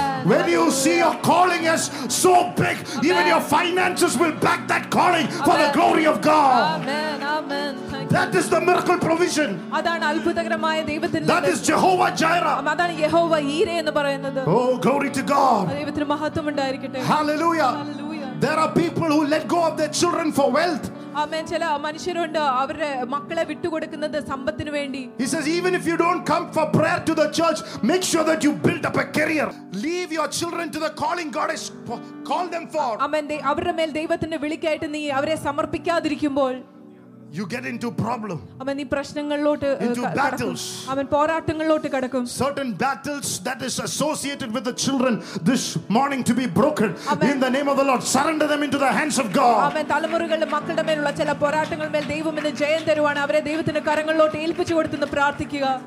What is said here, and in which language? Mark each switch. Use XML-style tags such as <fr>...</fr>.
<en>When you see your calling as so big, amen, even your finances will back that calling, amen, for the glory of God. Amen. Amen. That is the miracle provision.</en> <ml>അതാണ് അത്ഭുതകരമായ ദൈവത്തിന്റെ.</ml> <en>That is Jehovah Jireh.</en> <ml>അതാണ് യഹോവ ഈരേ എന്ന് പറയുന്നത്.</ml> <en>Oh, glory to God.</en> <ml>ദൈവത്തിന് മഹത്വം ഉണ്ടായിരിക്കട്ടെ. Hallelujah. Hallelujah.</ml> <en>There are people who let go of their children for wealth.</en> <ml>അമ്മേ, ചില മനുഷ്യരുണ്ട് അവരുടെ മക്കളെ വിട്ടുകൊടുക്കുന്നത് സമ്പത്തിന് വേണ്ടി.</ml> <en>He says, even if you don't come for prayer to the church, make sure that you build up a career. Leave your children to the calling God has called them for.</en> <ml>അമ്മേ, അവരുടെ മേൽ ദൈവത്തിന്റെ വിളിക്കായിട്ട് നീ അവരെ സമർപ്പിക്കാതിരിക്കുമ്പോൾ</ml> <en>you get into problem.</en> <ml>അവൻ ഈ പ്രശ്നങ്ങളിലോട്ട് കടക്കും. അവൻ പോരാട്ടങ്ങളിലോട്ട് കടക്കും.</ml> <en>Certain battles that is associated with the children this morning to be broken in the name of the Lord. Surrender them into the hands of God.</en> <ml>അവൻ തലമുറകളുടെ മക്കളുടെ മേലുള്ള ചില പോരാട്ടങ്ങളിൽ ദൈവം ഇന്ന് ജയം തരുവാണ്. അവരെ ദൈവത്തിന്റെ കരങ്ങളിലോട്ട് ഏൽപ്പിച്ചു കൊടുത്തെന്ന് പ്രാർത്ഥിക്കുക.</ml>